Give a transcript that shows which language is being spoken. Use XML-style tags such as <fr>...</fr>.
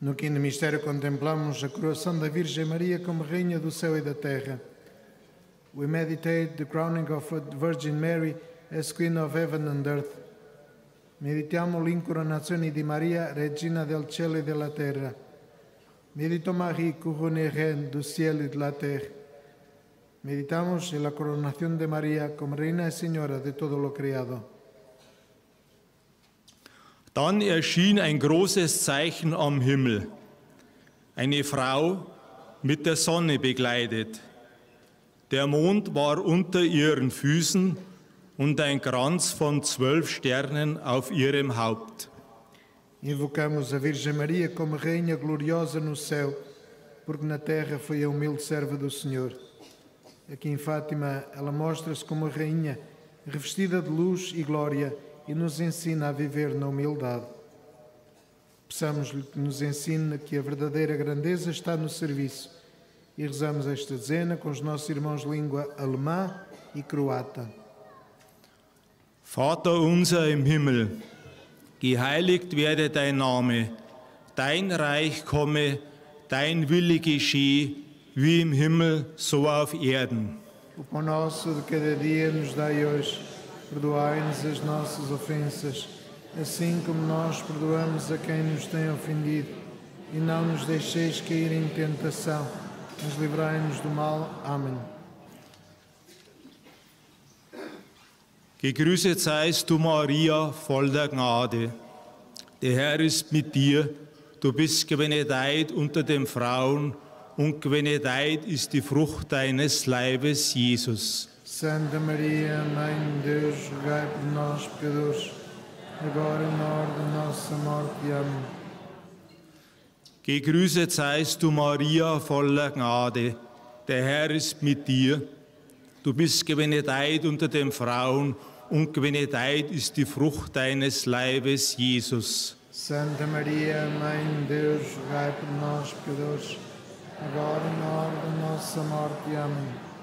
<pt>No mistério contemplamos a coroação da Virgem Maria como Rainha do Céu e da Terra.</pt> <en>We meditate the crowning of the Virgin Mary as Queen of Heaven and Earth.</en> <it>Meditiamo l'incoronazione di Maria, Regina del Cielo e della Terra.</it> <fr>Medito Marie, couronne reine du Ciel et de la Terre.</fr> <es>Meditamos en la coronación de Maria como Reina e Señora de todo lo creado.</es> <de>Dann erschien ein großes Zeichen am Himmel. Eine Frau mit der Sonne begleitet. Der Mond war unter ihren Füßen und ein Kranz von 12 Sternen auf ihrem Haupt.</de> <pt>Invocamos a Virgem Maria como Rainha gloriosa no céu, porque na terra foi a humilde serva do Senhor. Aqui em Fátima, ela mostra-se como a Rainha, revestida de luz e glória, e nos ensina a viver na humildade. Peçamos-lhe que nos ensine que a verdadeira grandeza está no serviço. E rezamos esta dezena com os nossos irmãos de língua alemã e croata.</pt> <de>Vater unser im Himmel, geheiligt werde dein Name, dein Reich komme, dein Wille geschehe, wie im Himmel, so auf Erden.</de> <pt>O pão nosso de cada dia nos dai hoje, perdoai-nos as nossas ofensas, assim como nós perdoamos a quem nos tem ofendido. E não nos deixeis cair em tentação, mas livrai-nos do mal. Amém.</pt> <de>Gegrüßet seist du, Maria, voll der Gnade. Der Herr ist mit dir. Du bist gebenedeit unter den Frauen und gebenedeit ist die Frucht deines Leibes, Jesus.</de> <pt>Santa Maria, Mãe de Deus, rogai por nós, pecadores, agora e na hora da nossa morte. Amém.</pt> <de>Gegrüßet seist du, Maria, voller Gnade. Der Herr ist mit dir. Du bist gebenedeit unter den Frauen und gebenedeit ist die Frucht deines Leibes, Jesus.</de> <pt>Santa Maria, Mãe de Deus, rogai por nós, pecadores, agora e na hora da nossa morte. Amém.</pt>